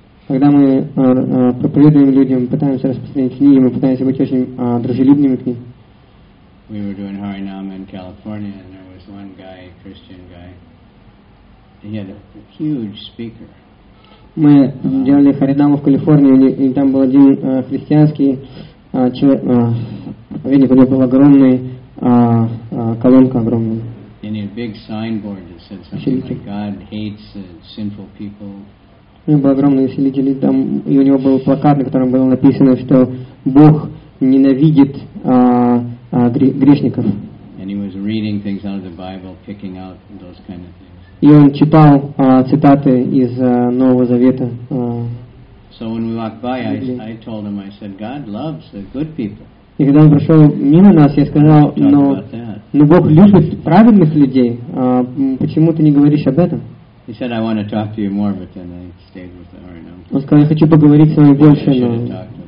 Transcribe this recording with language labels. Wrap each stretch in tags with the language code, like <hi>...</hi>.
<ru>Когда мы проповедуем людям, пытаемся распространять книги, мы пытаемся быть очень дружелюбными к ним.</ru> <en>We were doing Harinam in California, and there was one guy, Christian guy. He had a huge speaker.</en> <ru>Мы делали Харинаму в Калифорнии, и там был один христианский человек. Видите, у него был огромный колонка огромная.</ru> <en>And he had a big signboard that said something like, God hates sinful people.</en> <ru>У него был огромный усилитель, там, и у него был плакат, на котором было написано, что Бог ненавидит грешников.</ru> <en>And he was reading things out of the Bible, picking out those kind of things.</en> <ru>И он читал цитаты из Нового Завета.</ru> <en>So when we walked by, I told him, I said, God loves the good people.</en> <ru>И когда он прошел мимо нас, я сказал, но Бог любит праведных людей. Почему ты не говоришь об этом? Он сказал, я хочу поговорить с вами больше, но...</ru>